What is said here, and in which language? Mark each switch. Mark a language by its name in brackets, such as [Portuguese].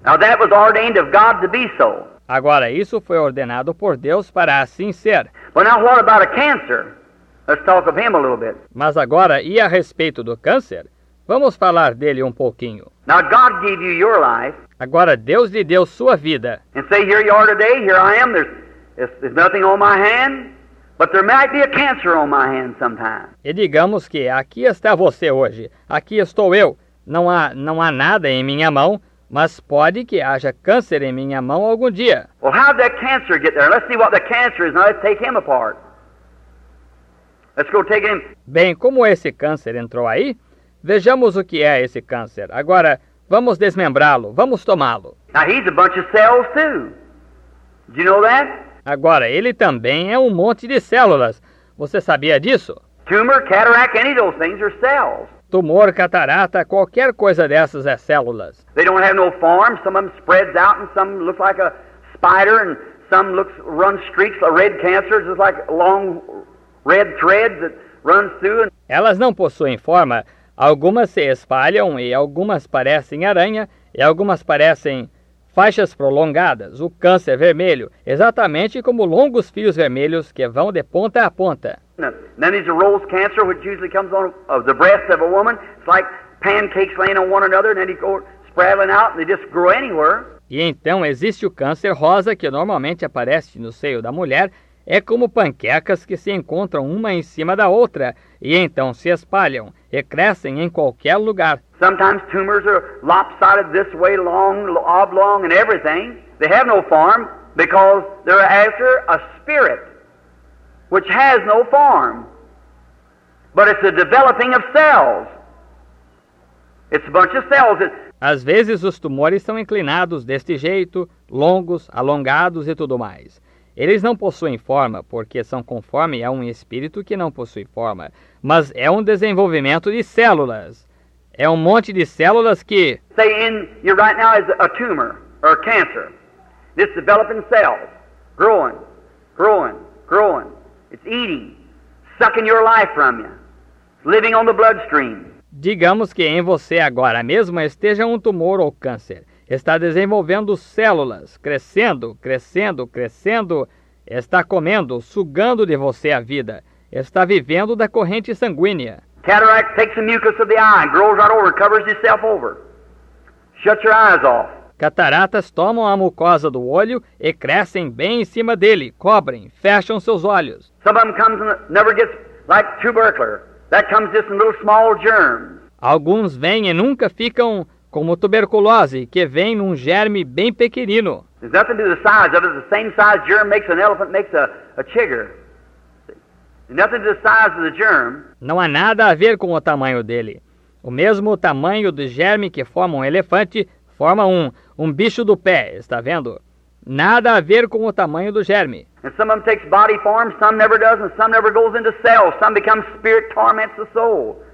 [English] Now that was ordained of God to be so. [Portuguese] Agora, isso foi ordenado por Deus para assim ser. [English] But now what about a cancer? Let's talk of him a little bit. [Portuguese] Mas agora, e a respeito do câncer? Vamos falar dele um pouquinho. [English] Now God gave you your life. [Portuguese] Agora Deus lhe deu sua vida. [English] And say, here you are today, here I am, there's nothing on my hand, but there might be a cancer on my hand sometime. [Portuguese] E digamos que aqui está você hoje, aqui estou eu, não há nada em minha mão, mas pode que haja câncer em minha mão algum dia. [English] Well, how did that cancer get there? Let's see what the cancer is, now let's take him apart. Let's go take him. [Portuguese] Bem, como esse câncer entrou aí? Vejamos o que é esse câncer. Agora, vamos desmembrá-lo. Vamos tomá-lo. [English] Now, he's a bunch of cells too. Do you know that? [Portuguese] Agora, ele também é um monte de células. Você sabia disso? [English] Tumor, cataract, any of those things are cells. [Portuguese] Tumor, catarata, qualquer coisa dessas é células. [English] They don't have no form. Some of them spreads out and some look like a spider and some looks run streaks, a red cancer, just like long red threads that runs through. [Portuguese] Elas não possuem forma. Algumas se espalham e algumas parecem aranha e algumas parecem faixas prolongadas, o câncer vermelho, exatamente como longos fios vermelhos que vão de ponta a ponta. [English] Then there's a Rolls cancer, which usually comes on the breast of a woman. It's like pancakes laying on one another, and then it goes sprouting out and they just grow anywhere. [Portuguese] E então existe o câncer rosa, que normalmente aparece no seio da mulher, é como panquecas que se encontram uma em cima da outra e então se espalham e crescem em qualquer lugar. [English] Sometimes tumors are lopsided this way, long, oblong and everything. They have no form because they're after a spirit which has no form. But it's a developing of cells. It's a bunch of cells. [Portuguese] Às vezes os tumores são inclinados deste jeito, longos, alongados e tudo mais. Eles não possuem forma, porque são conforme a um espírito que não possui forma. Mas é um desenvolvimento de células. É um monte de células que... [English] Say in you right now is a tumor, or cancer. It's developing cells, growing, growing, growing. It's eating, sucking your life from you. Living on the bloodstream. [Portuguese] Digamos que em você agora mesmo esteja um tumor ou câncer. Está desenvolvendo células, crescendo, crescendo, crescendo. Está comendo, sugando de você a vida. Está vivendo da corrente sanguínea. [English] Cataract takes the mucus of the eye and grows right over, covers itself over. Shut your eyes off. [Portuguese] Cataratas tomam a mucosa do olho e crescem bem em cima dele, cobrem, fecham seus olhos. [English] Some of them comes and never gets like tubercular. That comes just in little small germs. [Portuguese] Alguns vêm e nunca ficam como tuberculose, que vem num germe bem pequenino. [English] There's nothing to the size of it. The same size germ makes an elephant, makes a chigger. Nothing to the size of the germ. [Portuguese] Não há nada a ver com o tamanho dele. O mesmo tamanho do germe que forma um elefante forma um bicho do pé, está vendo? Nada a ver com o tamanho do germe. [English] And some of them takes body form, some never does, and some never goes into cells. Some become spirit torments the soul.